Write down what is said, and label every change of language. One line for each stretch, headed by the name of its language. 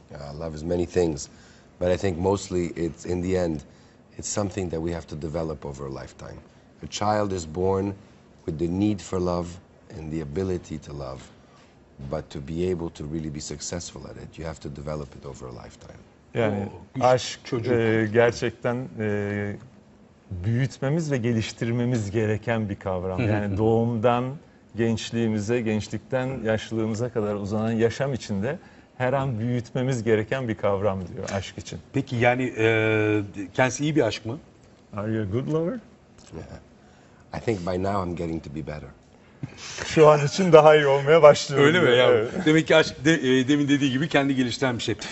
English: Yeah, love is many things, but I think mostly it's in the end, it's something that we have to develop over a lifetime. A child is born with the need for love and the ability to love, but to be able to really be successful at it, you have to develop it over a lifetime.
Turkish: Yani aşk gerçekten büyütmemiz ve geliştirmemiz gereken bir kavram. Yani doğumdan gençliğimize, gençlikten yaşlılığımıza kadar uzanan yaşam içinde her an büyütmemiz gereken bir kavram diyor aşk için. Peki yani kendisi iyi bir aşk mı?
English: Are you a good lover? Yeah. I think by now I'm getting to be better.
Turkish: Şu an için daha iyi olmaya başlıyorum. Öyle diyor. mi? Yani? Evet. Demek ki aşk demin dediği gibi kendi geliştiren bir şey.